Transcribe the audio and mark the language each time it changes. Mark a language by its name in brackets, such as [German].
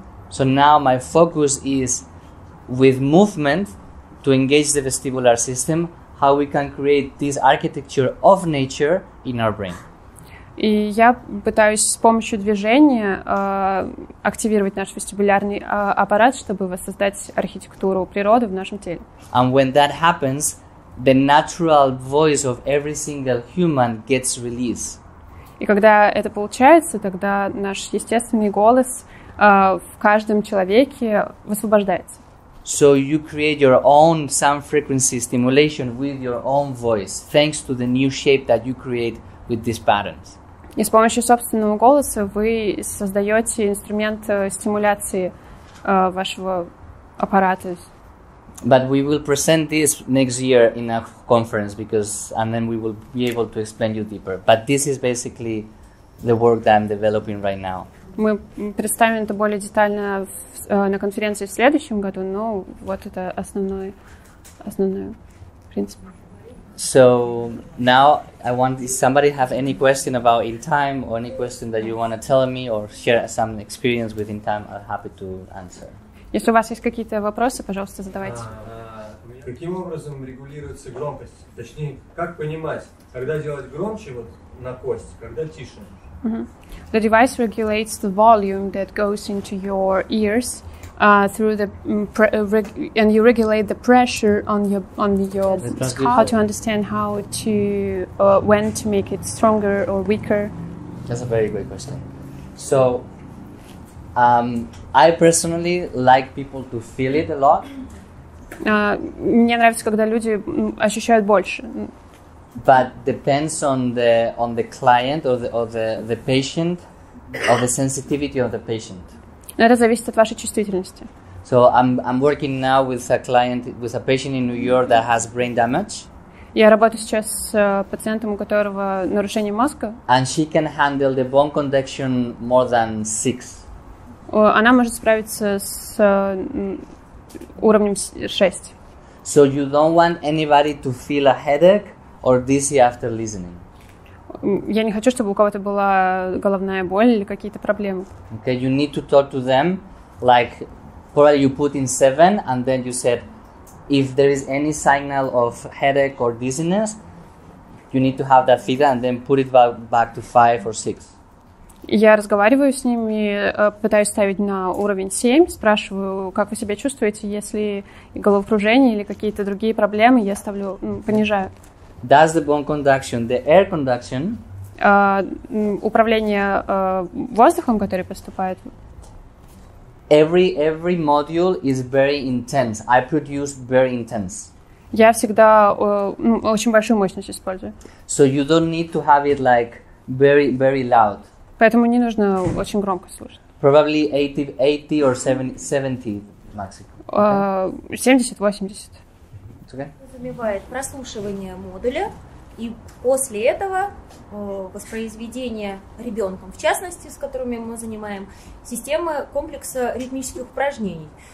[English] So now my focus is with movement to engage the vestibular system, how we can create this architecture of nature in our brain. [Russian] И я пытаюсь с помощью движения активировать наш вестибулярный аппарат, чтобы воссоздать архитектуру природы в нашем теле. [English] And when that happens, the natural voice of every single human gets released. [Russian] И когда это получается, тогда наш естественный голос в каждом человеке высвобождается. [English] So you create your own sound frequency stimulation with your own voice, thanks to the new shape that you create with these patterns. [Russian] И с помощью собственного голоса вы создаете инструмент стимуляции вашего аппарата. [English] But we will present this next year in a conference because, and then we will be able to explain you deeper. But this is basically the work that I'm developing right now. [Russian] Мы представим это более детально на конференции в следующем году, но вот это основной принцип. [English] So now I want, if somebody have any question about in time or any question that you want to tell me or share some experience with in time, I'm happy to answer. [Russian] Если у вас есть какие-то вопросы, пожалуйста, задавайте. Каким образом регулируется громкость? Точнее, как понимать, когда делать громче вот на кость, когда тише? Mm-hmm. [English] The device regulates the volume that goes into your ears through the and you regulate the pressure on your skull to understand how to when to make it stronger or weaker. That's a very great question. So I personally like people to feel it a lot. [Russian] Мне нравится, когда люди ощущают больше. [English] But depends on the client or the patient, or the sensitivity of the patient. [Russian] Это зависит от вашей чувствительности. [English] So I'm working now with a client, with a patient in New York that has brain damage. [Russian] Я работаю сейчас с пациентом, у которого нарушение мозга. [English] And she can handle the bone conduction more than 6. [Russian] Она может справиться с уровнем 6. [English] So you don't want anybody to feel a headache or dizzy after listening. [Russian] Я не хочу, чтобы у кого-то была головная боль или какие-то проблемы. [English] Okay, you need to talk to them, like probably you put in 7, and then you said, if there is any signal of headache or dizziness, you need to have that feedback and then put it back to 5 or 6. [Russian] Я разговариваю с ними, пытаюсь ставить на уровень 7, спрашиваю, как вы себя чувствуете, если головокружение или какие-то другие проблемы, я ставлю, понижаю. [English] That's the bone conduction, the air conduction. [Russian] Управление воздухом, который поступает. [English] Every module is very intense. I produce very intense. [Russian] Я всегда очень большую мощность использую. [English] So you don't need to have it like very, very loud. [Russian] Поэтому не нужно очень громко слушать. [English] Probably 80 or 70 maximum. Okay. [Russian] 70-80. [English] It's okay. [Russian] Подразумевает прослушивание модуля и после этого воспроизведение ребенком, в частности, с которыми мы занимаем системы комплекса ритмических упражнений.